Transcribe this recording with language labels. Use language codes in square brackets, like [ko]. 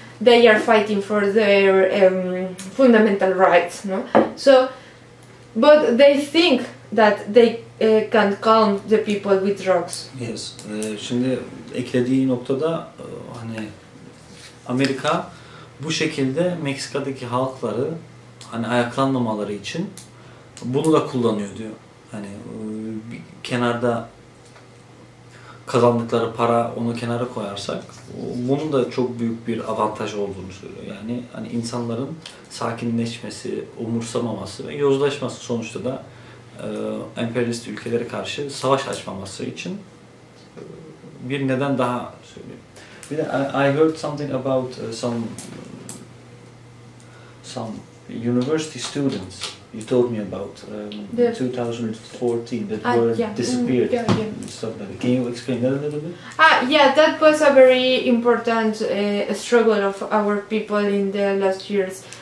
[en] They are fighting for their fundamental rights, no? So, but they think that they can calm the people with drugs. Yes. [tr] Şimdi eklediği noktada hani Amerika bu şekilde Meksika'daki halkları hani ayaklanmamaları için bunu da kullanıyor diyor. Hani kenarda kazandıkları para, onu kenara koyarsak bunun da çok büyük bir avantaj olduğunu söylüyor. Yani hani insanların sakinleşmesi, umursamaması ve yozlaşması, sonuçta da emperyalist ülkelere karşı savaş açmaması için bir neden daha söylüyor. Bir de [en] I heard something about some university students you told me about the 2014 that were disappeared. Can you explain that a little bit? Yeah, that was a very important struggle of our people in the last years.